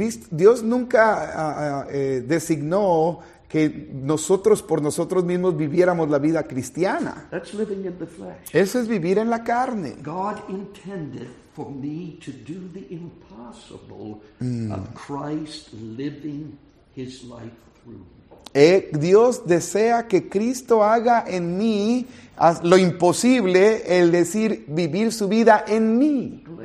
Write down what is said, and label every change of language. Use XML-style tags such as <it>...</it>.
<es>Dios nunca designó que nosotros por nosotros mismos viviéramos la vida cristiana.</es> <en>That's living in the flesh.</en> <es>Eso es vivir en la carne.</es> <en>God intended for me to do the impossible of Christ living his life through me.</en> <es>Dios desea que Cristo haga en mí lo imposible, el decir vivir su vida en mí.</es>